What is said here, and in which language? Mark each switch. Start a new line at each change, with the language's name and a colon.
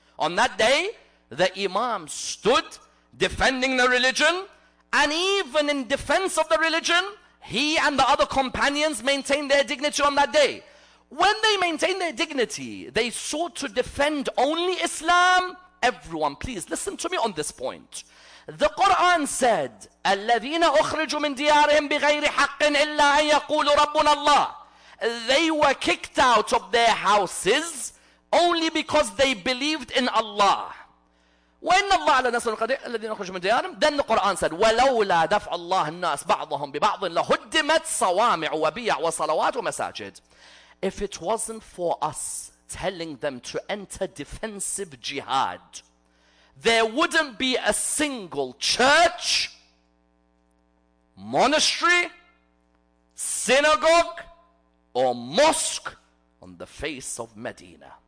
English: On that day, the Imam stood defending the religion. And even in defense of the religion, he and the other companions maintained their dignity on that day. When they maintained their dignity, they sought to defend only Islam. Everyone, please listen to me on this point. The Quran said,
Arabic: "الَّذِينَ أُخْرِجُوا مِنْ دِيَارِهِمْ بِغَيْرِ حَقٍ إِلَّا أَنْ يَقُولُوا رَبُّنَا اللَّهِ."
English: They were kicked out of their houses only because they believed in Allah.
Arabic: وَإِنَّ اللَّهَ لَنَصْرُ الْقَدِيرِ الَّذِينَ أُخْرِجُوا مِنْ دِيَارِهِمْ.
English: Then the Quran said,
Arabic: وَلَوْلَا دَفْعَ اللَّهِ النَّاسِ بَعْضَهُمْ بِبَعْضٍ لَهُدِّمَتْ صَوَامِعُ وَبِيَعُ وَصَلَوَاتُ وَمَسَاجِدُ.
English: If it wasn't for us telling them to enter defensive jihad, there wouldn't be a single church, monastery, synagogue, or mosque on the face of Medina.